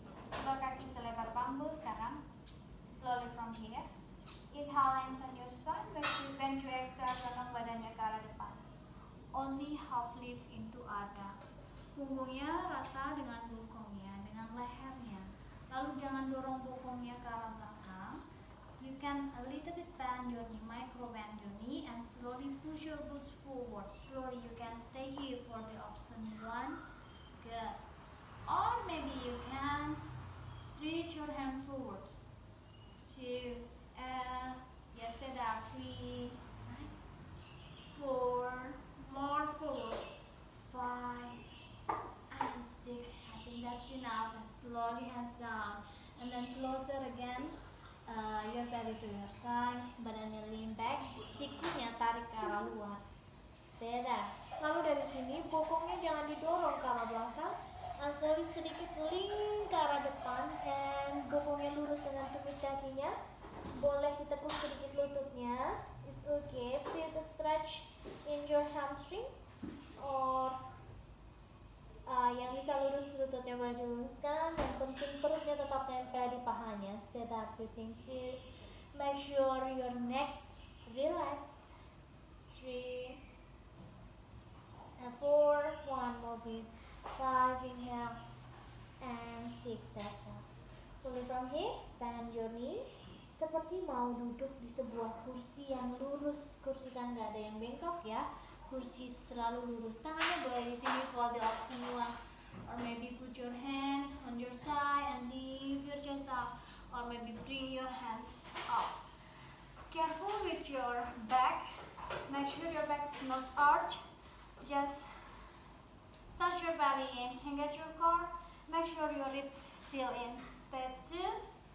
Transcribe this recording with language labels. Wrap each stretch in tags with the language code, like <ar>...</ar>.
<id>Coba kaki selebar bambu sekarang.</id> <en>Slowly from here. Inhale and turn your spine. Make sure bend your exhale,</en> <id>tenang badannya ke arah depan.</id> <en>Only half lift into Ardha.</en> <id>Punggungnya rata dengan bokongnya, dengan lehernya. Lalu jangan dorong bokongnya ke arah belakang.</id> <en>You can a little bit bend your knee, micro bend your knee, and slowly push your boots forward. Slowly you can stay here for the option one. Good. Or maybe you can reach your hand forward. Two. Yes, stay there. Three. Nice. Four. More forward. Five. And six. I think that's enough. And slowly hands down. And then closer again. Your belly to your side,</en> <id>badannya</id> <en>lean back,</en> <id>sikunya tarik ke arah luar.</id> <en>Stay there.</en> <id>Lalu dari sini, bokongnya jangan didorong ke arah belakang. Langsung sedikit lean ke arah depan, and bokongnya lurus dengan tumit dagingnya. Boleh ditekuk sedikit lututnya.</id> <en>It's okay, feel the stretch in your hamstring.</en> <id>Or yang bisa lurus lututnya boleh diluruskan, dan penting perutnya tetap nempel di pahanya.</id> <en>Stay that breathing to make sure your neck relax. 3 and 4, one more breath. 5, inhale and 6, exhale. Pulling from here, bend your knee</en> <id>seperti mau duduk di sebuah kursi yang lurus. Kursi kan gak ada yang bengkok ya, kursi selalu lurus. Tangannya boleh di sini</id> <en>for the option one, or maybe put your hand on your thigh and leave your chest up, or maybe bring your hands up. Careful with your back, make sure your back is not arched. Just touch your belly in, engage your core, make sure your rib still in. Stay tuned.</en>